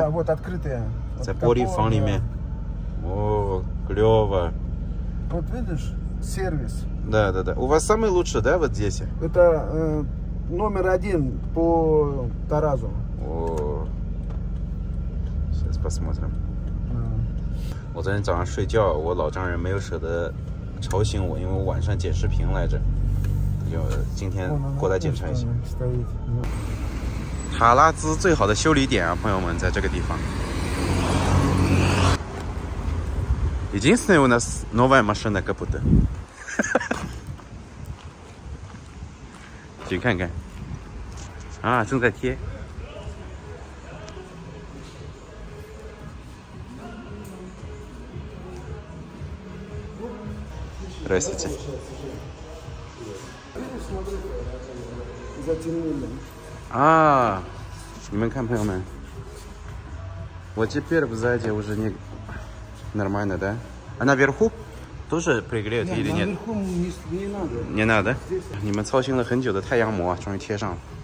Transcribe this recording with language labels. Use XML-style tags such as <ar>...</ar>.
<ru>Да, вот открытые. Это пори фанами. О, клево. Вот видишь? Сервис. Да, да, да. У вас самый лучший, да, вот здесь? Это номер один по Таразу. О, сейчас посмотрим.</ru> <zh>我昨天早上睡觉，我老丈人没有舍得吵醒我，因为我晚上剪视频来着，就今天过来检查一下。塔拉兹最好的修理点啊，朋友们，在这个地方。</zh> <ru>Единственная у нас новая машина, как будто.</ru> <zh>请看看。啊，正在贴。</zh> <ru>Здравствуйте. А,</ru> <zh>你们看朋友们。我</zh> <ru>теперь в заде уже не... Нормально, да? А наверху тоже пригреют или нет? Наверху не надо. Не надо? Здесь.</ru> <zh>你们操心了很久的太阳膜终于贴上了。</zh>